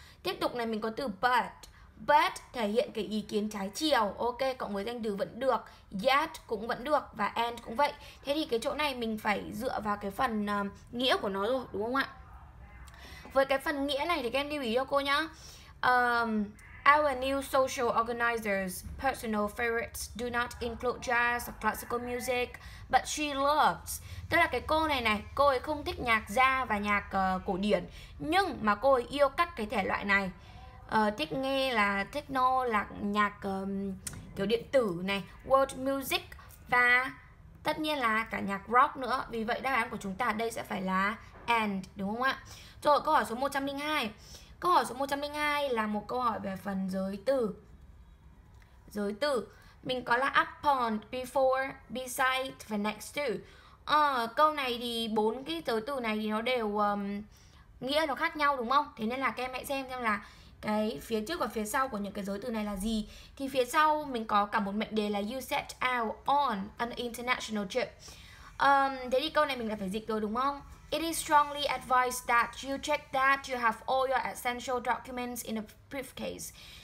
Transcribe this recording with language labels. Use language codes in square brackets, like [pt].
[vi] Tiếp tục này, mình có từ but. But thể hiện cái ý kiến trái chiều. Ok, cộng với danh từ vẫn được. Yet cũng vẫn được. Và and cũng vậy. Thế thì cái chỗ này mình phải dựa vào cái phần nghĩa của nó rồi, đúng không ạ? Với cái phần nghĩa này thì các em lưu ý cho cô nhá. [en] Our new social organizer's personal favorites do not include jazz or classical music, but she loves. [vi] Tức là cái cô này này, cô ấy không thích nhạc gia và nhạc cổ điển, nhưng mà cô ấy yêu các cái thể loại này. Thích nghe là techno, là nhạc kiểu điện tử này, world music và tất nhiên là cả nhạc rock nữa. Vì vậy đáp án của chúng ta ở đây sẽ phải là and, đúng không ạ? Rồi, câu hỏi số 102. Câu hỏi số 102 là một câu hỏi về phần giới từ. Giới từ mình có là upon, before, beside và next to. Câu này thì bốn cái giới từ này thì nó đều nghĩa nó khác nhau đúng không? Thế nên là các em hãy xem là cái phía trước và phía sau của những cái giới từ này là gì. Thì phía sau mình có cả một mệnh đề là [en] you set out on an international trip. [vi] Thế thì câu này mình lại phải dịch rồi đúng không? [en] It is strongly advised that you check that you have all your essential documents in a briefcase.